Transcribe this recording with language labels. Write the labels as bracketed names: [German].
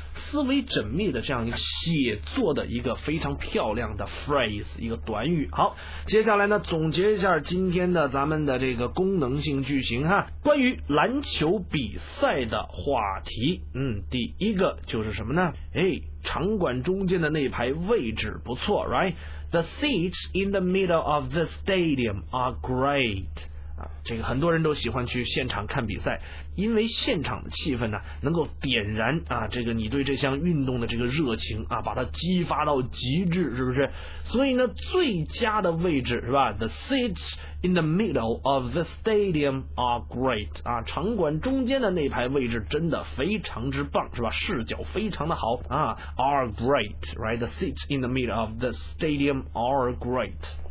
[Chinese] 思维缜密的这样一个写作的一个非常漂亮的 phrase， 一个短语。好，接下来呢总结一下今天的咱们的这个功能性句型哈，关于篮球比赛的话题。嗯，第一个就是什么呢？哎，场馆中间的那排位置不错 right？ [English] The seats in the middle of the stadium are great. [Chinese] 啊，这个很多人都喜欢去现场看比赛，因为现场的气氛呢，能够点燃啊，这个你对这项运动的这个热情啊，把它激发到极致，是不是？所以呢，最佳的位置是吧 [English] ？The seats in the middle of the stadium are great. [Chinese] 啊，场馆中间的那排位置真的非常之棒，是吧？视角非常的好啊 [English] ，are great, right? The seats in the middle of the stadium are great.